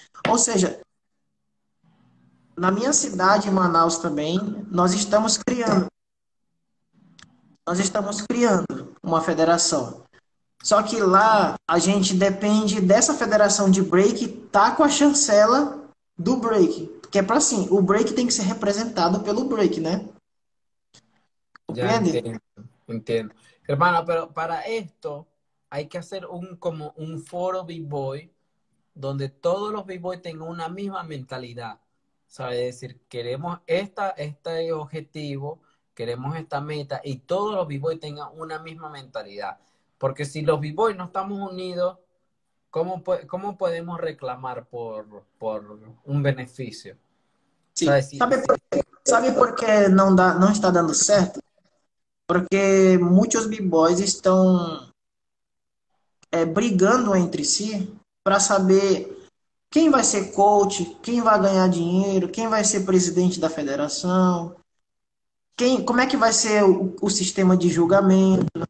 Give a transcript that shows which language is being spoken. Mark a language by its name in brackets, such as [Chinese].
[Portuguese] Ou seja, na minha cidade, em Manaus, também, nós estamos criando uma federação. Só que lá a gente depende dessa federação de break tá com a chancela do break, porque é para assim, o break tem que ser representado pelo break, né? [Spanish] Ya [Portuguese] Compreende? [Spanish] entiendo, entiendo. Hermano, pero para esto hay que hacer como un foro B-Boy donde todos los B-Boy tengan una misma mentalidad. ¿Sabe? Es decir, queremos este objetivo, queremos esta meta y todos los B-Boy tengan una misma mentalidad. Porque si los B-Boy no estamos unidos, ¿cómo podemos reclamar por un beneficio? [Portuguese] Sim. [Spanish] ¿Sabes? Sí, sí. [Portuguese] Sabe por que não está dando certo? Porque muitos b-boys estão brigando entre si para saber quem vai ser coach, quem vai ganhar dinheiro, quem vai ser presidente da federação, como é que vai ser o sistema de julgamento.